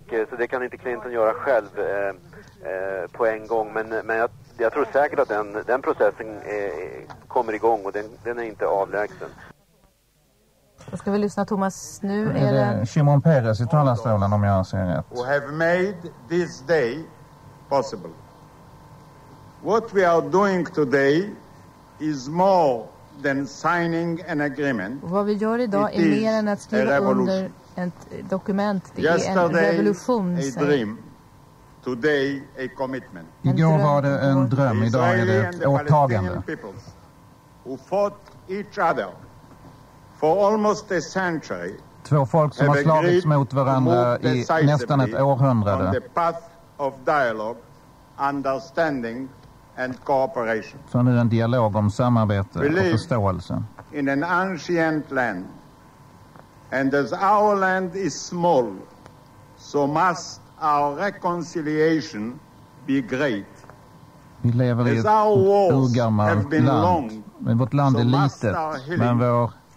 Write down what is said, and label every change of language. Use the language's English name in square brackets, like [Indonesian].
[Swedish] Så det kan inte Clinton göra själv på en gång, men jag tror säkert att den processen kommer igång, och den är inte avlägsen. Då ska vi lyssna, Thomas. Nu är det Shimon Peres i talarstolen, om jag ser rätt. [English] Who have made this day possible. What we are doing today is more than signing an agreement. [Swedish] Vad vi gör idag är mer än att skriva under ett dokument. Det är en revolution. [English] A dream. Today a commitment. [Swedish] Igår var det en dröm, idag är det ett åtagande. [English] Who fought each other for almost a century. [Swedish] Två folk som har slagits mot varandra i nästan ett århundrade. [English] On the path of dialogue, understanding and cooperation. [Swedish] Så nu en dialog om samarbete och förståelse. [English] In an ancient land, and as our land is small, so must our reconciliation be great. [Swedish] Vi lever i ett urgammalt land, men vårt land är litet, men vår